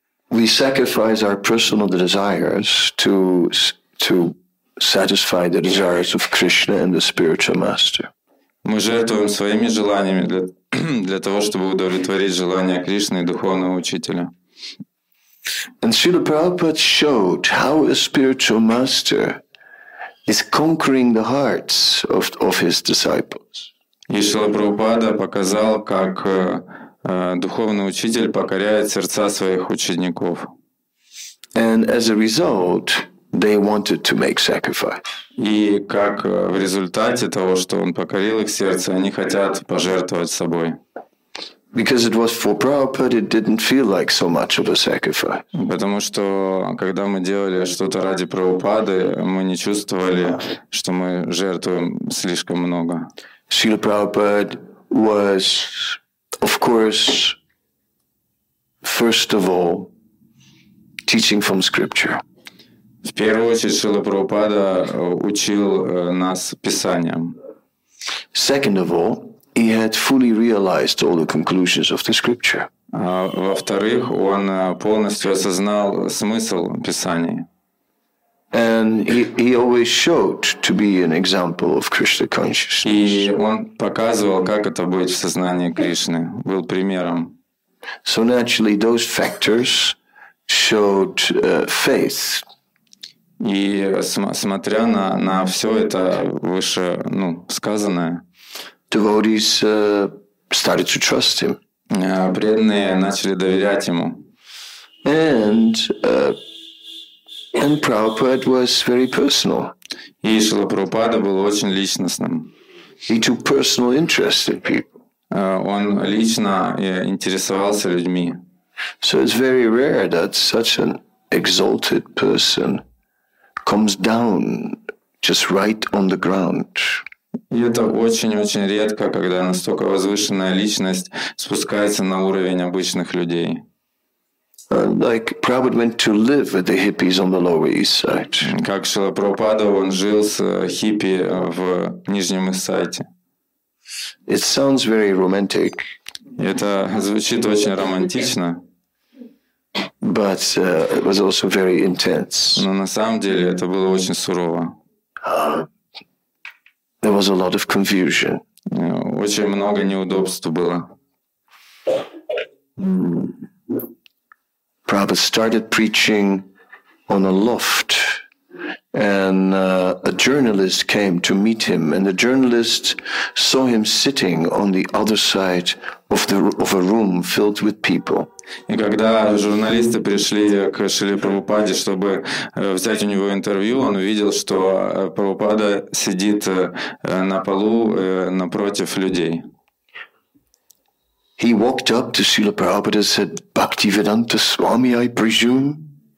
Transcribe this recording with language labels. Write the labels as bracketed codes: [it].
[en] We sacrifice our personal desires to satisfy the desires of Krishna and the spiritual master. [ru] Мы жертвуем своими желаниями для того, чтобы удовлетворить желания Кришны и духовного учителя. [en] And Srila Prabhupada showed how a spiritual master is conquering the hearts of his disciples. [ru] И Шрила Прабхупада показал, как духовный учитель покоряет сердца своих учеников. [en] And as a result, they wanted to make sacrifice. [ru] И как в результате того, что он покорил их сердце, они хотят пожертвовать собой. [en] Because it was for Prabhupada, it didn't feel like so much of a sacrifice. [ru] Потому что когда мы делали что-то ради Прабхупады, мы не чувствовали, что мы жертвуем слишком много. [en] Srila Prabhupada was, of course, first of all, teaching from scripture. [ru] В первую очередь Шрила Прабхупада учил нас писанием. [en] Second of all, he had fully realized all the conclusions of the scripture. [ru] Во-вторых, он полностью осознал смысл писаний. [en] And he always showed to be an example of Krishna consciousness. [ru] И он показывал, как это быть в сознании Кришны, был примером. [en] So naturally, those factors showed faith. [ru] И смотря на все это выше, ну, сказанное, [en] devotees started to trust him. [ru] Преданные начали доверять ему. [en] And Prabhupada was very personal. [ru] И Шрила Прабхупада был очень личностным. [en] He took personal interest in people. [ru] Он лично интересовался людьми. [en] So it's very rare that such an exalted person comes down just right on the ground. [ru] И это очень-очень редко, когда настолько возвышенная личность спускается на уровень обычных людей. [en] Like Prabhupada went to live with the hippies on the Lower East Side. [ru] Как Шрила Прабхупада, он жил с хиппи в Нижнем Ист-Сайде. [en] It sounds very romantic. [ru] Это звучит очень романтично. [en] But it was also very intense. [ru] Но на самом деле это было очень сурово. [en] There was a lot of confusion. [ru] Очень много неудобств было. [en] Prabhupada started preaching on a loft, and a journalist came to meet him, and the journalist saw him sitting on the other side of a room filled with people. [ru] И когда журналисты пришли к Шриле Прабхупаде, чтобы взять у него интервью, он увидел, что Прабхупада сидит на полу напротив людей. [en] He walked up to Srila Prabhupada and said, Bhaktivedanta Swami, I presume?